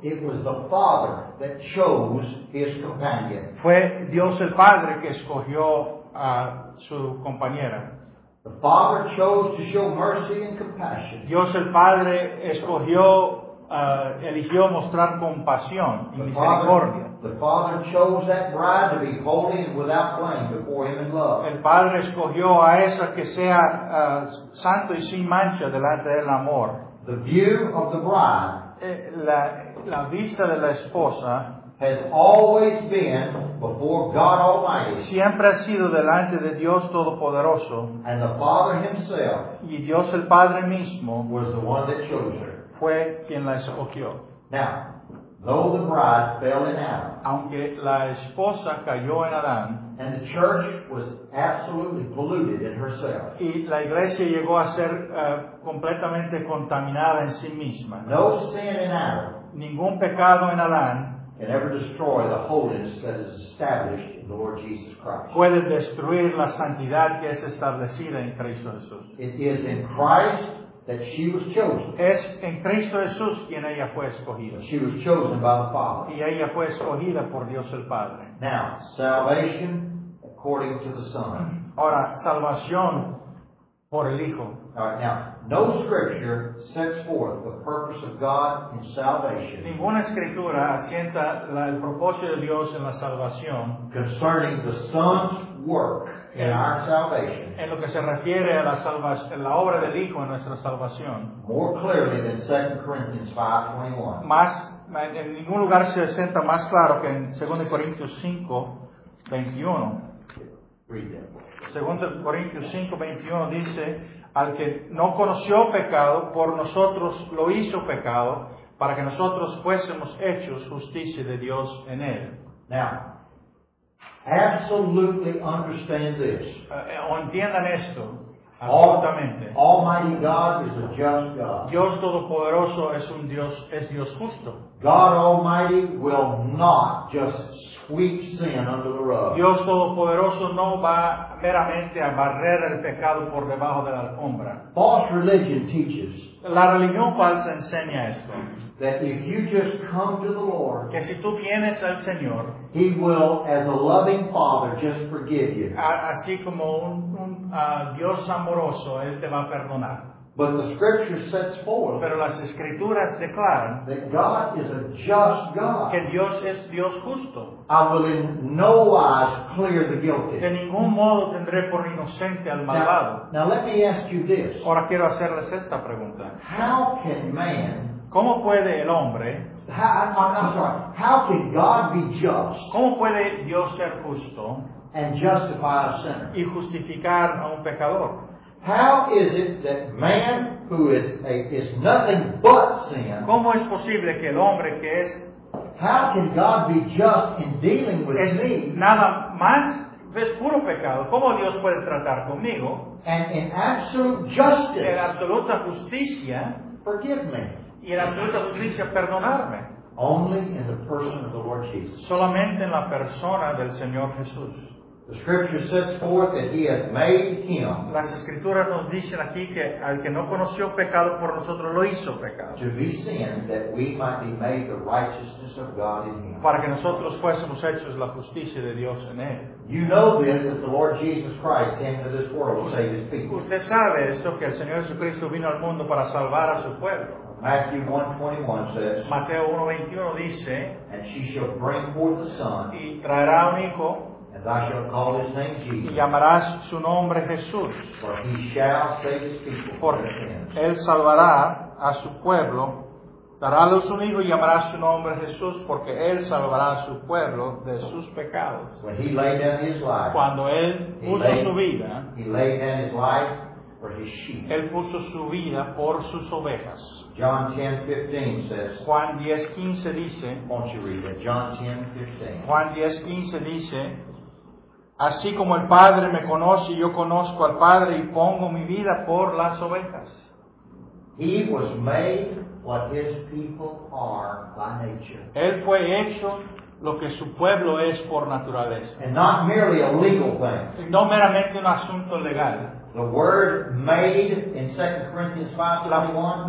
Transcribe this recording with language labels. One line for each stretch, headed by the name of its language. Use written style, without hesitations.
English: it was the Father that chose his companion.
Spanish: Fue Dios el Padre que escogió a su compañera.
English: The Father chose to show mercy and compassion.
Spanish: Dios el Padre escogió, eligió mostrar compasión y misericordia.
English: The Father chose that bride to be holy and without blame before Him in love.
Spanish: El Padre escogió a esa que sea santo y sin mancha delante del amor.
English: The view of the bride,
Spanish: la vista de la esposa,
English: has always been before God Almighty.
Spanish: Siempre ha sido delante de Dios Todopoderoso.
English: And the Father Himself,
Spanish: y Dios el Padre mismo,
English: was the one that chose her.
Spanish: Fue quien la escogió.
English: Now, though the bride fell in Adam,
Spanish: aunque la esposa cayó en Adán,
English: and the church was absolutely polluted in herself,
Spanish: y la iglesia llegó a ser completamente contaminada en sí misma.
English: No sin in Adam,
Spanish: ningún pecado en Adán,
English: can ever destroy the holiness that is established in the Lord Jesus Christ.
Spanish: Puede destruir la santidad que es establecida en Cristo Jesús.
English: It is in Christ that she was chosen.
Spanish: Es en Cristo Jesús quien ella fue escogida.
English: She was chosen by the Father.
Spanish: Y ella fue escogida por Dios el Padre.
English: Now, salvation according to the Son.
Spanish: Ahora, salvación por el Hijo.
English: All right, now, no scripture sets forth the purpose of God in salvation.
Spanish: Ninguna escritura asienta el propósito de Dios en la salvación.
English: Concerning the Son's work, in our salvation,
Spanish: en lo que se refiere a la obra del Hijo en nuestra salvación,
English: more clearly than 2 Corinthians 5:21.
Spanish: Más, en ningún lugar se sienta más claro que en 2 Corintios 5:21.
English: Read that.
Spanish: 2 Corintios 5:21 dice: al que no conoció pecado, por nosotros lo hizo pecado, para que nosotros fuésemos hechos justicia de Dios en él.
English: Now, absolutely understand this.
Spanish: O entiendan esto. Absolutamente.
English: Almighty God is a just God.
Spanish: Dios Todopoderoso es Dios justo.
English: God Almighty will not just sweep sin under the rug.
Spanish: Dios Todopoderoso no va meramente a barrer el pecado por debajo de la alfombra.
English: False religion teaches.
Spanish: La religión falsa enseña esto.
English: That if you just come to the Lord,
Spanish: que si tú vienes al Señor,
English: He will, as a loving Father, just forgive you.
Spanish: Así como Dios amoroso, Él te va a perdonar.
English: But the Scripture sets forth,
Spanish: pero las Escrituras declaran,
English: that God is a just God.
Spanish: Que Dios es Dios justo.
English: I will in no wise clear the guilty.
Spanish: De ningún modo tendré por inocente al malvado.
English: Now let me ask you this.
Spanish: Ahora quiero hacerles esta pregunta.
English: How can man?
Spanish: ¿Cómo puede el hombre?
English: How can God be just?
Spanish: ¿Cómo puede Dios ser justo?
English: And justify a sinner.
Spanish: Y justificar a un pecador.
English: How is it that man who is nothing but sin?
Spanish: ¿Cómo es posible que el hombre que es?
English: How can God be just in dealing with me?
Spanish: Nada más es puro pecado. ¿Cómo Dios puede tratar conmigo?
English: And in absolute justice,
Spanish: en absoluta justicia,
English: forgive me.
Spanish: Y en absoluta justicia, perdonarme.
English: Only in the person of the Lord Jesus.
Spanish: Solamente en la persona del Señor Jesús.
English: The Scripture sets forth that He has made Him.
Spanish: Las Escrituras nos dicen aquí que al que no conoció pecado por nosotros lo hizo pecado.
English: To be sin that we might be made the righteousness of God in Him.
Spanish: Para que nosotros fuésemos hechos la justicia de Dios en él.
English: You know this, that the Lord Jesus Christ came to this world to save His people.
Spanish: Usted sabe esto, que el Señor Jesucristo vino al mundo para salvar a su pueblo.
English: Matthew 1:21 says,
Spanish: Mateo 1:21 dice,
English: and she shall bring forth a son,
Spanish: y traerá un hijo,
English: and thou shalt call his name Jesus,
Spanish: y llamarás su nombre Jesús,
English: for he shall save his people from their sins.
Spanish: Él salvará a su pueblo, dará a luz un hijo y llamará su nombre Jesús, porque él salvará a su pueblo de sus pecados.
English: When he laid down his life,
Spanish: cuando él puso su vida,
English: he laid down his life for his sheep.
Spanish: Él puso su vida por sus ovejas.
English: John 10:15 says,
Spanish: Juan 10:15 dice,
English: won't you read it? John 10:15.
Spanish: Juan 10:15 dice, así como el Padre me conoce, yo conozco al Padre y pongo mi vida por las ovejas.
English: He was made what his people are by nature.
Spanish: Él fue hecho lo que su pueblo es por naturaleza.
English: And not merely a legal thing.
Spanish: No meramente un asunto legal.
English: The word made in 2 Corinthians 5:21.